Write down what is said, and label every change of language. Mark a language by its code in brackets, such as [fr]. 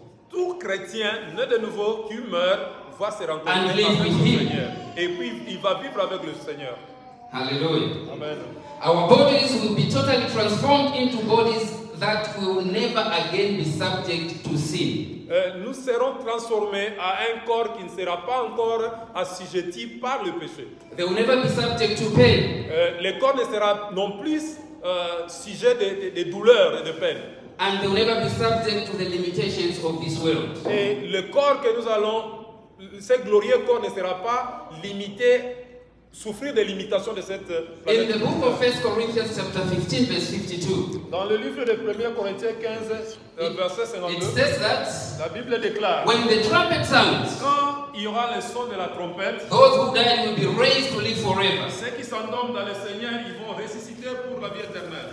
[fr] Tout chrétien né de nouveau qui meurt va se rencontrer [en] and live [fr] avec [en] with [fr] le [en] him. [fr] Seigneur. Et puis il va vivre avec le Seigneur. Hallelujah. Amen. [en] Our bodies will be totally transformed into bodies that will never again be subject to sin. [fr] Nous serons transformés à un corps qui ne sera pas encore assujetti par le péché. [en] They will never be subject to pain. [fr] Le corps ne sera non plus sujet de douleurs et de peines. [en] And they will never be subject to the limitations of this world. [fr] Et le corps que nous allons, ce glorieux corps ne sera pas limité, souffrir des limitations de cette planète. [en] In the book of 1 Corinthians chapter 15 verse 52. [fr] Dans le livre de 1 Corinthiens 15 verset 52. [en] It says that [fr] la Bible déclare, [en] when the trumpet sounds, [fr] quand il y aura le son de la trompette, [en] those who died will be raised to live forever. [fr] Ceux qui s'endorment dans le Seigneur, ils vont ressusciter pour la vie éternelle.